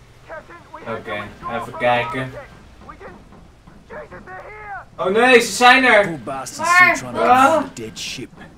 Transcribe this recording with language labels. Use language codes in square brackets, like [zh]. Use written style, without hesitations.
[en] Captain, we have to look at the engine. Jesus, they're here! Oh no, [nl] ze zijn er! [en] Poor bastards are trying to get the dead ship.